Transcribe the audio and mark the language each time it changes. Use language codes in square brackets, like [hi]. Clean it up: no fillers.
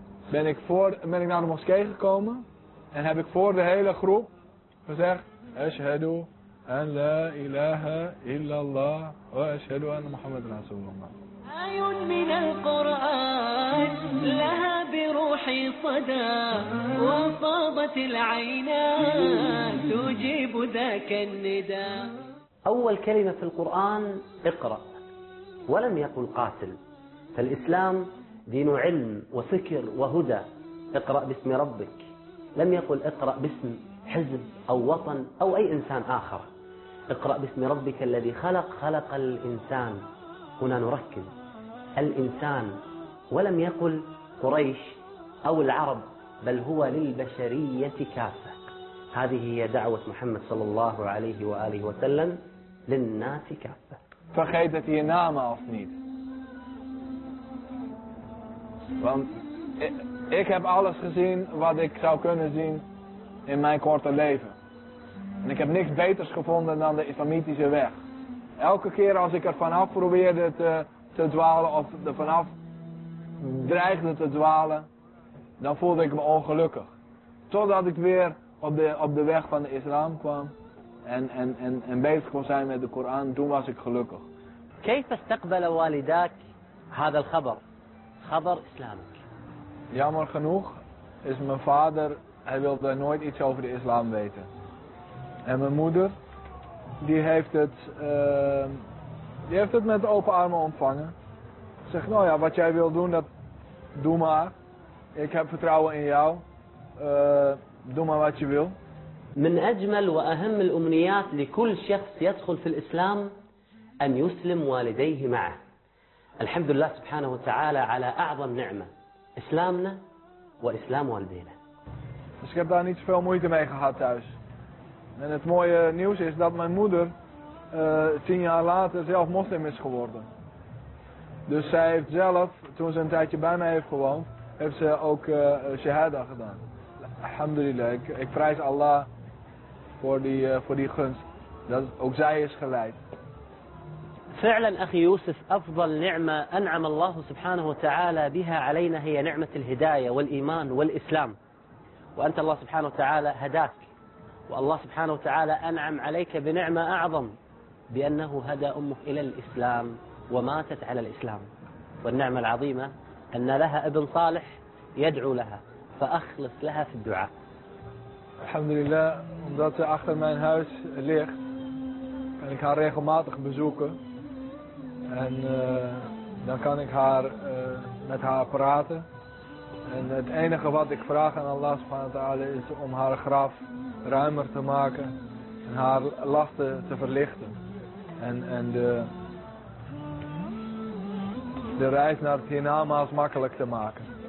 [nl] Ben ik naar de moskee gekomen en heb ik voor de hele groep gezegd: [ar] Ashhadu an la ilaha illallah wa ashhadu anna Muhammad Rasulullah. آي من القرآن لها بروحي صدى وصابت العينان تجيب ذاك النداء. أول كلمة في القرآن اقرأ، ولم يقل قاتل. فالإسلام دين علم وفكر وهدى. اقرأ باسم ربك، لم يقل اقرأ باسم حزب أو وطن أو أي إنسان آخر. اقرأ باسم ربك الذي خلق الإنسان. هنا نركز الإنسان، ولم يقل قريش أو العرب، بل هو للبشرية كافة. هذه هي دعوة محمد صلى الله عليه وآله وسلم للناس كافة. [nl] Vergeet je naam of niet? Want ik heb alles gezien wat ik zou kunnen zien in mijn korte leven. En ik heb niks beters gevonden dan de islamitische weg. elke keer als ik er vanaf probeerde te dwalen of er vanaf dreigde te dwalen, dan voelde ik me ongelukkig. Totdat ik weer op de weg van de islam kwam en bezig kon zijn met de Koran, toen was ik gelukkig. [ar] كيف استقبل والداك هذا الخبر خبر اسلامك؟ [nl] Jammer genoeg is mijn vader, hij wilde nooit iets over de islam weten. En mijn moeder, die heeft het met open armen ontvangen. Zegt, nou ja, wat jij wil doen, dat doe maar. Ik heb vertrouwen in jou. Doe maar wat je wil. [ar] من اجمل واهم الامنيات لكل شخص يدخل في الاسلام ان يسلم والديه معه. الحمد لله سبحانه وتعالى على اعظم نعمه اسلامنا واسلام والدينا. [nl] Dus ik heb daar niet zoveel moeite mee gehad thuis. En het mooie nieuws is dat mijn moeder 10 jaar later zelf moslim is geworden. Dus zij heeft zelf, toen ze een tijdje bij mij heeft gewoond, heeft ze ook shahada gedaan. Alhamdulillah, ik prijs Allah voor die gunst. Dat ook zij is geleid. [ar] Fa'lan akhi Yusuf, afdal ni'ma an'am Allah subhanahu wa ta'ala biha alayna hiya ni'mat al-hidayah wal-iman wal-islam. Wa anta Allah subhanahu wa ta'ala hadak. والله سبحانه وتعالى أنعم عليك بنعمة أعظم بأنه هدى أمه إلى الإسلام وماتت على الإسلام والنعمة العظيمة أن لها ابن صالح يدعو لها فأخلص لها في الدعاء الحمد لله [nl] omdat ze achter mijn huis ligt kan ik haar regelmatig bezoeken en dan kan ik haar met haar praten en het enige wat ik vraag aan Allah subhanahu wa ta'ala is om haar graf ruimer te maken en haar lasten te verlichten en de reis naar het hiernamaals makkelijk te maken.